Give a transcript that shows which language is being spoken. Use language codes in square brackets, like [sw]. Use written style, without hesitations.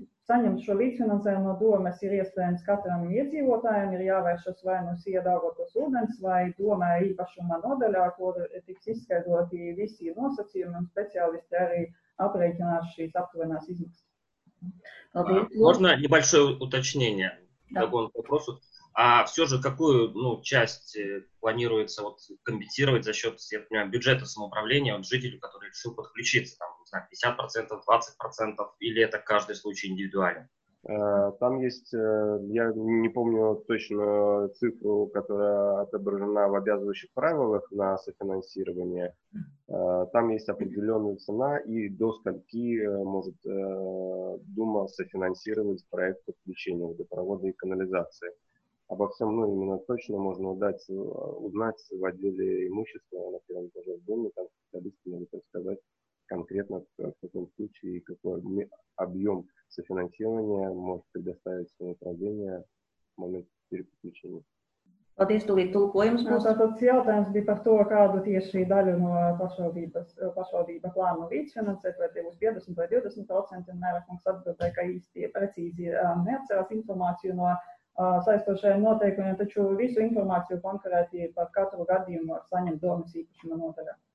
[lv] Saņemt šo līdzfinansējumu no domes ir iespējams katram iedzīvotājiem, ir jāvēršas vai no iedaugotos ūdens vai domē īpašumā nodaļā, kur tiks izskaidroti visi nosacījumi un speciālisti arī aprēķinās šīs aptuvenās izmaksas. [ru] Можно небольшое уточнение догонку вопросу. А все же какую ну, часть планируется вот, компенсировать за счет я понимаю, бюджета самоуправления вот, жителю, который решил подключиться, там, не знаю, 50%, 20%, или это каждый случай индивидуально? Там есть, я не помню точно цифру, которая отображена в обязывающих правилах на софинансирование. Там есть определенная цена и до скольки может Дума софинансировать проект подключения водопровода и канализации. Обо всем, ну, именно точно можно узнать в отделе имущества на первом этаже в Думе, там специалисты могут рассказать конкретно в каком случае и какой объем софинансирование может предоставить свое управление в момент переподключения. [lv] Paldies, tūlīt tulkojums būs. Tātad jautājums bija par to, kādu tieši daļu no pašvaldība plāno līdzfinansēt, vai tie būs 50 vai 20%, un Mērakungs atbildēja, ka īsti precīzi neatcerās informāciju no saistošajiem noteikumiem, taču visu informāciju konkrēti par katru gadījumu var saņemt domas īpašuma nodaļā.